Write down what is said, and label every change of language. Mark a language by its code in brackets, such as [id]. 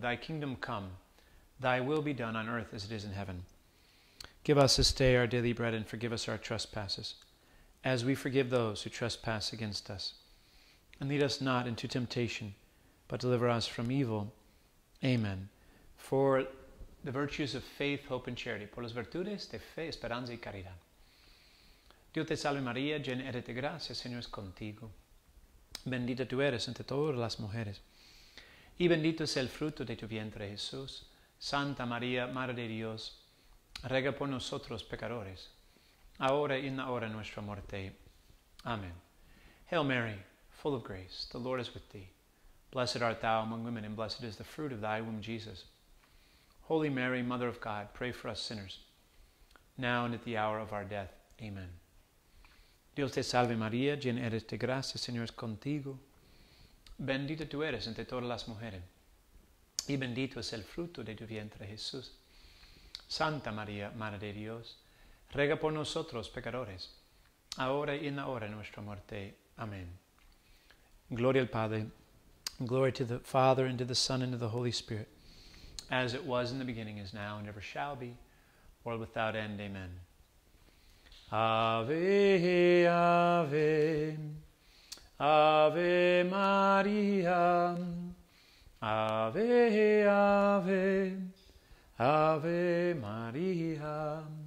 [en] Thy kingdom come, thy will be done on earth as it is in heaven. Give us this day our daily bread, and forgive us our trespasses, as we forgive those who trespass against us. And lead us not into temptation, but deliver us from evil. Amen. For the virtues of faith, hope, and charity. [es] Por las virtudes de fe, esperanza y caridad. Dios te salve María, llena eres de gracia, Señor es contigo. Bendita tú eres entre todas las mujeres. Y bendito es el fruto de tu vientre, Jesús. Santa María, Madre de Dios, ruega por nosotros, pecadores, ahora y en la hora de nuestra muerte. Amén. [en] Hail Mary, full of grace, the Lord is with thee. Blessed art thou among women, and blessed is the fruit of thy womb, Jesus. Holy Mary, Mother of God, pray for us sinners, now and at the hour of our death. Amen. [es] Dios te salve, María, llena eres de gracia, Señor es contigo. Bendita tú eres entre todas las mujeres, y bendito es el fruto de tu vientre, Jesús. Santa María, Madre de Dios, ruega por nosotros, pecadores, ahora y en la hora de nuestra muerte. Amén. Gloria al Padre, [en] glory to the Father, and to the Son, and to the Holy Spirit, as it was in the beginning, is now, and ever shall be, world without end. [la] Amen. Ave, Ave, Ave Maria, Ave, Ave, Ave Maria.